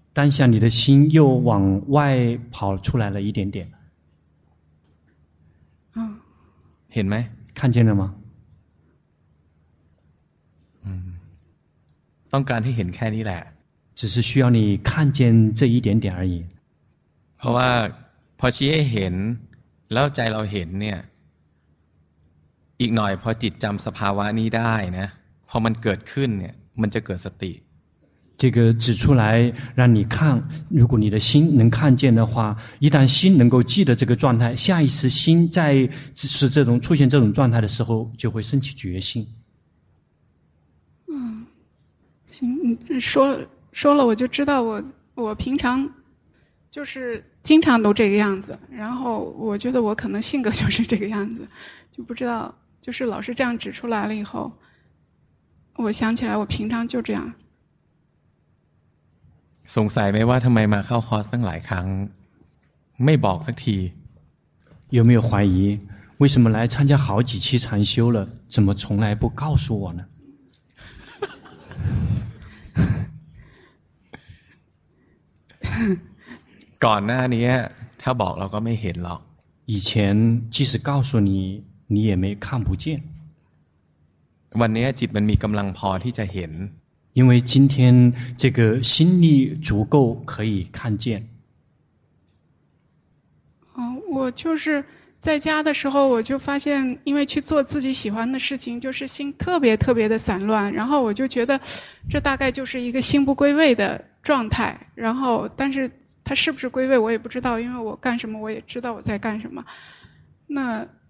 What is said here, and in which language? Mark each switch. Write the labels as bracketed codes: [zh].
[zh] 当下你的心又往外跑出来了一点点。嗯。 [th] เห็นไหม？ [zh] 看见了吗？ [th] ต้องการให้เห็นแค่นี้แหละ [zh] 只是需要你看见这一点点而已 [th] เพราะว่าพอชี้ให้เห็นแล้วใจเราเห็นเนี่ยอีกหน่อยพอจิตจำสภาวะนี้ได้นะพอมันเกิดขึ้นเนี่ยมันจะเกิดสติ [zh] 这个指出来让你看如果你的心能看见的话一旦心能够记得这个状态下一次心在是这种出现这种状态的时候就会升起决心行，说了我就知道我平常就是经常都这个样子，然后我觉得我可能性格就是这个样子，就不知道就是老师这样指出来了以后，我想起来我平常就这样。 [th] สงสัยไหมว่าทำไมมาเข้าคอร์สตั้งหลายครั้งไม่บอกสักที？ [zh] 有没有怀疑为什么来参加好几期禅修了，怎么从来不告诉我呢？ [th] ก่อนหน้านี้ถ้าบอกเราก็ไม่เห็นหรอก [zh] 以前即使告诉你你也没看不见 [th] วันนี้จิตมันมีกำลังพอที่จะเห็น [zh] 因为今天这个心力足够可以看见我就是在家的时候我就发现因为去做自己喜欢的事情就是心特别特别的散乱然后我就觉得这大概就是一个心不归位的状态然后但是它是不是归位我也不知道因为我干什么我也知道我在干什么那